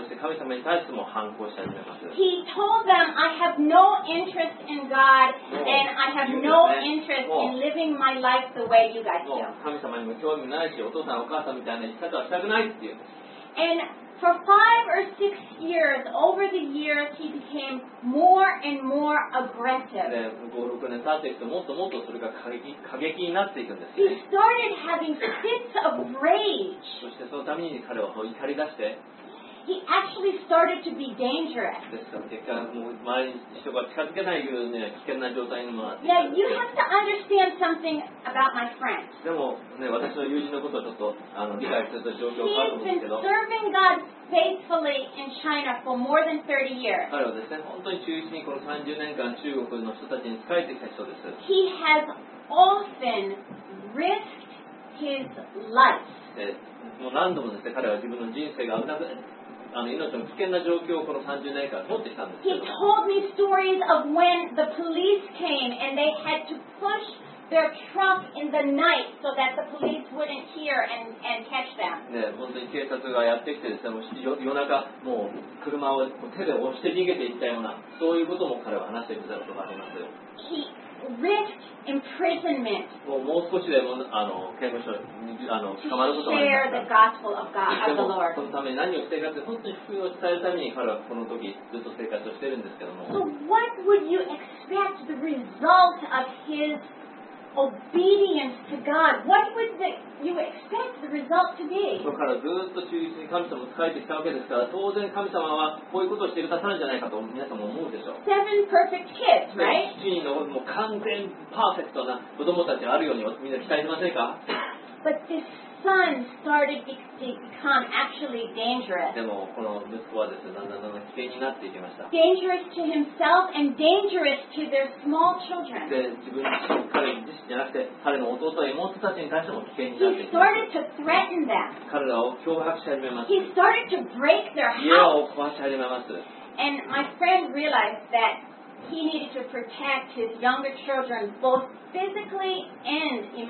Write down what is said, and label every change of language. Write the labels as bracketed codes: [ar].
[en] He told them, I have no interest in God and I have no interest in living my life the way you guys do. And for 5 or 6 years, over the years, he became more and more aggressive. [ja] 5、6年経っていくともっともっとそれが過激になっていくんです、ね。 [en] He started having fits of rage. [ja] そしてそのために彼は怒り出して。 [en] he actually started to be dangerous. Now you have to understand something about my friend. He's been serving God faithfully in China for more than 30 years. He has often risked his life. [ja] もう何度もですね、彼は自分の人生が危なく、命の危険な状況をこの30年間通ってきたんですけど。 [en] He told me stories of when the police came and they had to push their truck in the night so that the police wouldn't hear and catch them. [ja] ね、本当に警察がやってきてですね、もう夜中、もう車を手で押して逃げていったような、そういうことも彼は話してみたことがあります。 [en] Risked imprisonment. [ja] もう少しでも刑務所に捕まることがあります。 [en] The gospel of God, of the Lord. [ja] そのために何をしているかって、本当に福音を伝えるために彼はこの時ずっと生活をしているんですけども。 [en] So what would you expect the result of his obedience to God? What would you expect the result to be? [ja] そこからずっと忠実に神様を仕えてきたわけですから、当然神様はこういうことをしてくださるんじゃないかと皆さんも思うでしょう。 [en] Seven perfect kids, right? [ja] 7人のもう完全パーフェクトな子供たちがあるようにみんな期待しませんか？ [en] But this son started to become actually dangerous. [ja] でもこの息子はですね、だんだん危険になっていきました。 [en] Dangerous to himself and dangerous to their small children. [ja] で、自分自身、彼自身じゃなくて、彼の弟や妹たちに対しても危険になっていきました。 [en] He started to threaten them. [ja] 彼らを脅迫し始めます。 [en] He started to break their house. [ja] 家を壊し始めます。 [en] And my friend realized that he needed to protect his younger children both physically and